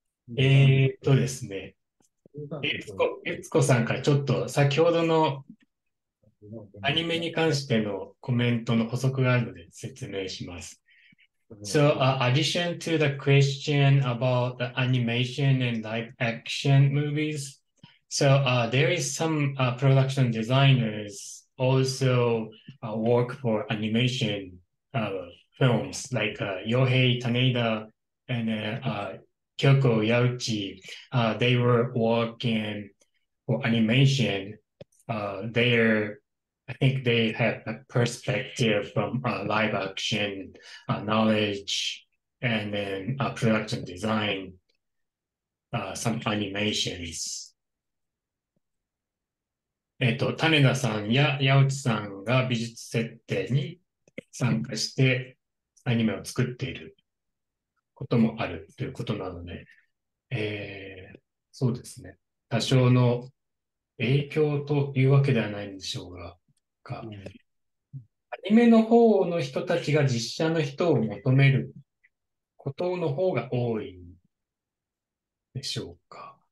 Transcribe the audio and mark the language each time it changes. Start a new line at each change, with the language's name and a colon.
Japanese: ですね、えつこさんからちょっと先ほどのアニメに関してのコメントの補足があるので説明します。
English: So, addition to the question about the animation and live action movies, so there is some production designers also work for animation films like Yohei Taneda and Kyoko Yauchi. They were working for animation. I think they have a perspective from live action knowledge and then production design, some animations.
Japanese: Taneda さんや矢内さんが美術設定に参加してアニメを作っていることもあるということなので、そうですね。多少の影響というわけではないんでしょうが、うん、アニメの方の人たちが実写の人を求めることの方が多いんでしょうか。